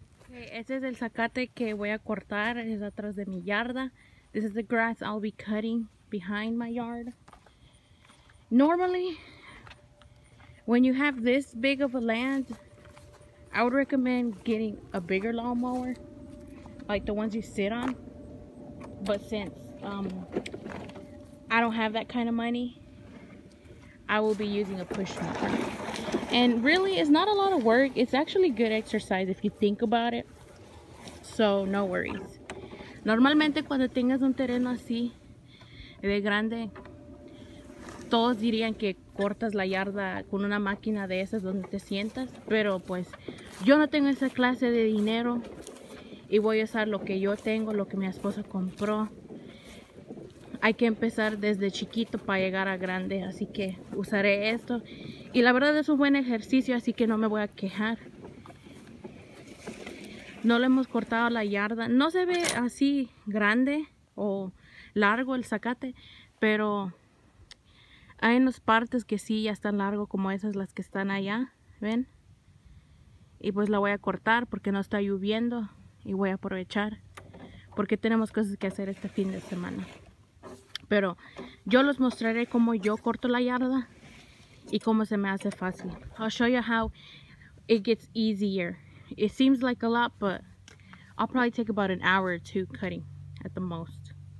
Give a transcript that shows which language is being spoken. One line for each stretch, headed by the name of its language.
Spanish: Okay, este es el zacate que voy a cortar. Es atrás de mi yarda.
English: This is the grass I'll be cutting behind my yard. Normally, when you have this big of a land, I would recommend getting a bigger lawnmower, like the ones you sit on. But since I don't have that kind of money, I will be using a push mower. And really, it's not a lot of work. It's actually good exercise if you think about it. So no worries.
Spanish: Normalmente cuando tengas un terreno así de grande, todos dirían que cortas la yarda con una máquina de esas donde te sientas, pero pues yo no tengo esa clase de dinero y voy a usar lo que yo tengo, lo que mi esposa compró. Hay que empezar desde chiquito para llegar a grande, así que usaré esto Y la verdad es un buen ejercicio, así que no me voy a quejar. No le hemos cortado la yarda. No se ve así grande o largo el zacate, pero hay unas partes que sí ya están largo, como esas las que están allá, ¿ven? Y pues la voy a cortar porque no está lloviendo y voy a aprovechar porque tenemos cosas que hacer este fin de semana. Pero yo les mostraré cómo yo corto la yarda y cómo se me hace fácil.
English: I'll show you how it gets easier. It seems like a lot, but I'll probably take about an hour or two cutting at the most.